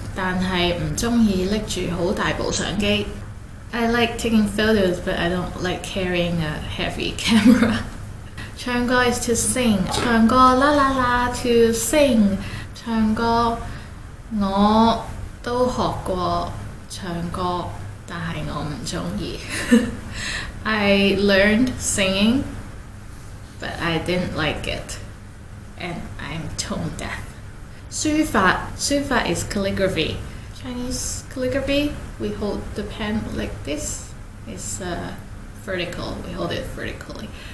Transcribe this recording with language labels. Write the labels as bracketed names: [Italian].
[Cantonese] 但係唔鍾意拎住好大部相機。 [English] I like taking photos, but I don't like carrying a heavy camera. 唱歌 is to sing. 唱歌 la la la to sing. [Cantonese] 唱歌 我都學過唱歌, 但係我唔鍾意。 [English] I learned singing, but I didn't like it. And I'm tone deaf. [Cantonese] 書法 [English] is calligraphy. Chinese calligraphy, we hold the pen like this. It's vertical, we hold it vertically.